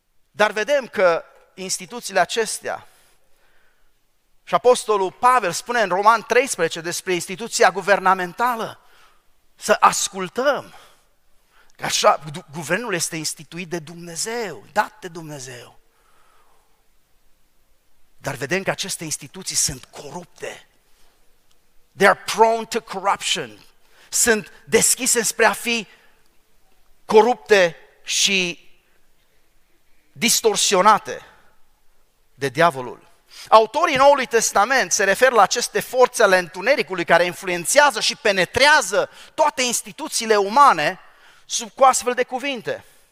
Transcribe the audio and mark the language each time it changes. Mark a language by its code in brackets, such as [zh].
[ro] Dar vedem că instituțiile acestea, și apostolul Pavel spune în Roman 13 despre instituția guvernamentală, să ascultăm. Așa, guvernul este instituit de Dumnezeu, dat de Dumnezeu. Dar vedem că aceste instituții sunt corupte. [en] They are prone to corruption. [ro] Sunt deschise spre a fi corupte și distorsionate de diavolul. Autorii Noului Testament se referă la aceste forțe ale întunericului care influențează și penetrează toate instituțiile umane sub cu astfel de cuvinte,